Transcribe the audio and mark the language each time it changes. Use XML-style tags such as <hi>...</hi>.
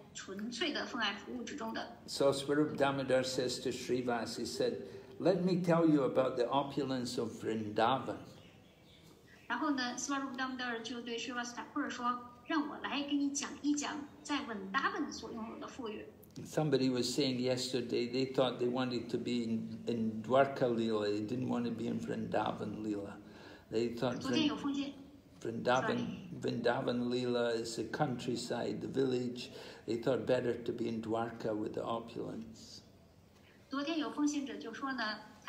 <zh>纯粹的奉爱服务之中的。</zh> <en>So Swarup Damodar says to Srivas, he said, let me tell you about the opulence of Vrindavan.</en> <zh>然后呢 ,Swarup Damodar 就对 Srivas Thakur 说让我来给你讲一讲在 Vrindavan 所拥有的富裕。</zh> <en>Somebody was saying yesterday, they thought they wanted to be in Dwarka Leela, they didn't want to be in Vrindavan Leela. They thought Vrindavan Leela is the countryside, the village. They thought better to be in Dwarka with the opulence.</en> <zh>昨天有奉献者就说呢，他</zh>